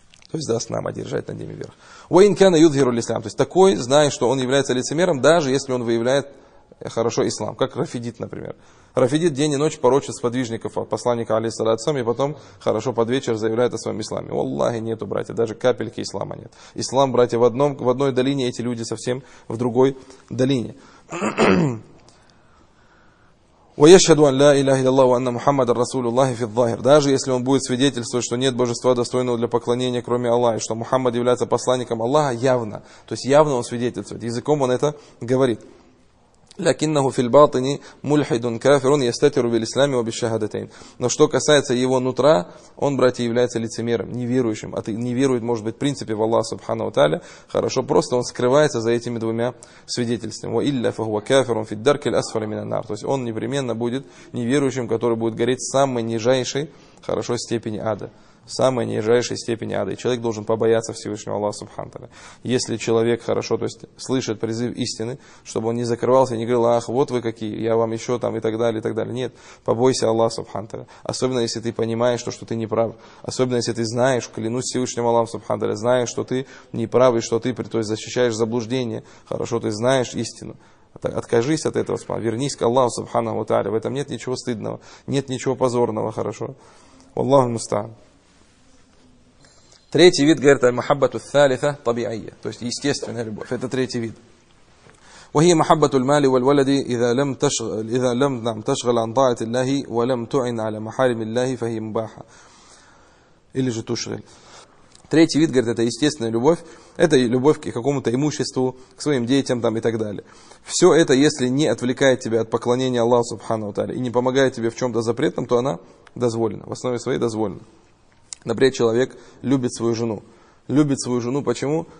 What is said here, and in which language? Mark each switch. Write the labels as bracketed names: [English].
[Russian] То есть даст нам одержать над ними верх. [Arabic] Уайн кяна юдхиру лислам. [Russian] То есть такой, зная, что он является лицемером, даже если он выявляет хорошо ислам. Как Рафидит, например. Рафидит день и ночь порочит сподвижников посланника алейхиссалям, и потом хорошо под вечер заявляет о своем исламе. Валлахи нету, братья, даже капельки ислама нет. Ислам, братья, в одной долине, эти люди совсем в другой долине. [Arabic] ويشهد أن لا إله إلا الله وأن محمد رسول الله في الظاهر. [Russian] Даже если он будет свидетельствовать, что нет божества достойного для поклонения, кроме Аллаха, и что Мухаммад является посланником Аллаха явно, то есть явно он свидетельствует, языком он это говорит. [Arabic] لكنه في الباطن ملحد كافر يستتر بالإسلام وبالشهادتين. [Russian] Но что касается его нутра, он, братья, является лицемером, неверующим. Не верует, может быть, в принципе в Аллаха Субхана ва Тааля. Хорошо, просто он скрывается за этими двумя свидетельствами. [Arabic] وإلا فهو كافر في الدرك الأسفل من النار. [Russian] То есть он непременно будет неверующим, который будет гореть в самой нижайшей, хорошо, степени ада. Самой нижайшей степени ада. И человек должен побояться Всевышнего Аллаха Субхану Тааля. Если человек хорошо, то есть слышит призыв истины, чтобы он не закрывался и не говорил: ах, вот вы какие, я вам еще там, и так далее, и так далее. Нет, побойся Аллаха Субхану Тааля. Особенно если ты понимаешь, что ты не прав. Особенно если ты знаешь, клянусь Всевышним Аллахом Субхану Тааля, знаешь, что ты не прав, и что ты, то есть защищаешь заблуждение. Хорошо, ты знаешь истину. Откажись от этого, вернись к Аллаху Субхану Тааля. В этом нет ничего стыдного, нет ничего позорного, хорошо. Аллаху мустаан. Третий вид, говорит, [Arabic] махаббату ас-салиса табиайя, [Russian] то есть естественная любовь, это третий вид. [Arabic] وهي محبة المال والولد إذا لم تشغل عن طاعة الله ولم تعن على محارم الله فهي مباحة. [Russian] Или же тушрил. Третий вид, говорит, это естественная любовь, это любовь к какому-то имуществу, к своим детям там и так далее. Все это, если не отвлекает тебя от поклонения Аллаху Субхану ва Тааля и не помогает тебе в чем-то запретном, то она дозволена, в основе своей дозволена. Например, человек любит свою жену. Любит свою жену почему?